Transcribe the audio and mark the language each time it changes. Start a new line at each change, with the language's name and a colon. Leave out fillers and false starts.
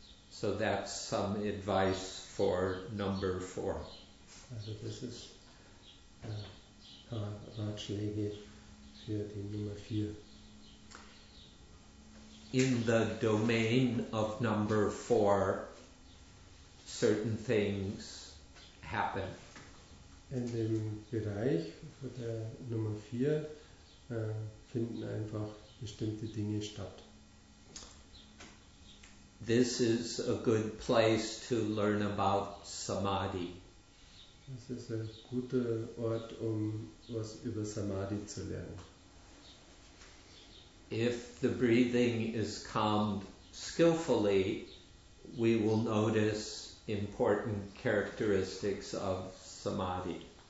English: So that's some advice for number four.
German: Also das ist Ratschläge für die Nummer vier.
English: In the domain of number four, certain things happen.
German: In dem Bereich der Nummer vier finden einfach bestimmte Dinge statt.
English: This is a good place to learn about Samadhi.
German: Das ist ein guter Ort, um was über Samadhi zu lernen.
English: If the breathing is calmed skillfully, we will notice important characteristics of Samadhi.